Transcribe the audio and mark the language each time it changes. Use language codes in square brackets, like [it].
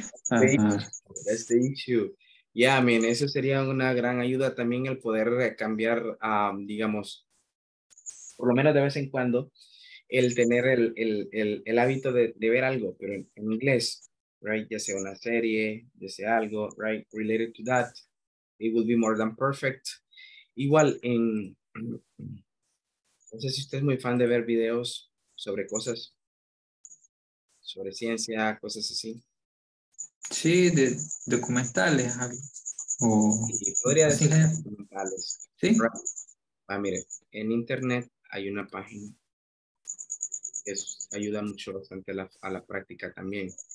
[en] That's the issue. Yeah, I mean, [es] eso sería una gran ayuda también el poder cambiar, digamos, por lo menos de vez en cuando, el tener el hábito de ver algo, pero en inglés, [en] right? [es] Ya sea una serie, ya sea algo, [en] right? Related to that, it would be more than perfect. [es] Igual en... No sé si usted es muy fan de ver videos sobre cosas, sobre ciencia, cosas así. Sí, de documentales. Sí, podría decir documentales. Sí. Ah, mire, en internet hay una página que ayuda mucho bastante a la práctica también.